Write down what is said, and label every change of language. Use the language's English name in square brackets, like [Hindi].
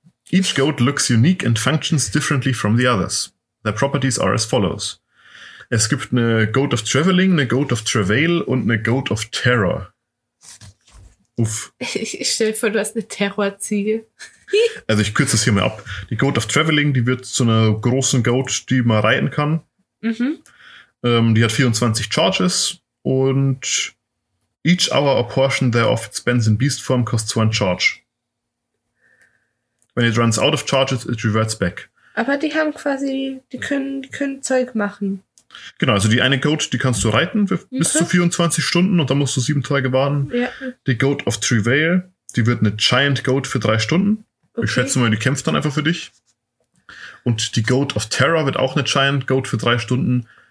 [English] Each goat looks unique and functions differently from the others. Their properties are as follows. [German] Es gibt eine Goat of Traveling, eine Goat of Travail und eine Goat of Terror. Uff. Ich stell dir vor, du hast eine Terrorziege. Also ich kürze das hier mal ab. Die Goat of Traveling, die wird zu einer großen Goat, die man reiten kann. Mhm. Die hat 24 Charges und [English] each hour a portion thereof it spends in beast form costs 1 charge. When it runs out of charges, it reverts back. [German] Aber die haben quasi, die können Zeug machen. Genau, also die eine Goat, die kannst du reiten für, okay, bis zu 24 Stunden und dann musst du 7 Tage warten. Ja. Die Goat of Travail, die wird eine Giant Goat für 3 Stunden. Okay. Ich schätze mal, die kämpft dann einfach für dich. Und die Goat of Terror wird auch eine Giant Goat für 3 Stunden.